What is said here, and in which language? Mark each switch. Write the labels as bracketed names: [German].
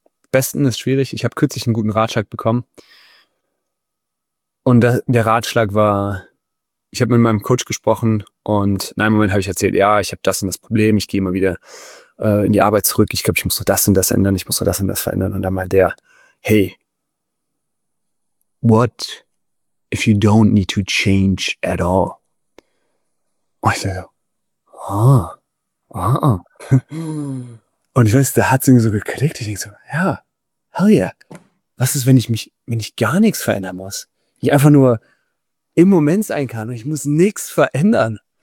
[German] Besten ist schwierig. Ich habe kürzlich einen guten Ratschlag bekommen. Und der Ratschlag war, ich habe mit meinem Coach gesprochen und in einem Moment habe ich erzählt, ja, ich habe das und das Problem, ich gehe immer wieder in die Arbeit zurück. Ich glaube, ich muss nur das und das ändern, ich muss nur das und das verändern. Und dann mal der, [English] hey, what if you don't need to change at all? [German] Und ich dachte so, Und ich weiß, da hat es irgendwie so geklickt. Ich denke so, ja, [English] hell yeah. [German] Was ist, wenn ich gar nichts verändern muss? Ich einfach nur im Moment sein kann und ich muss nichts verändern.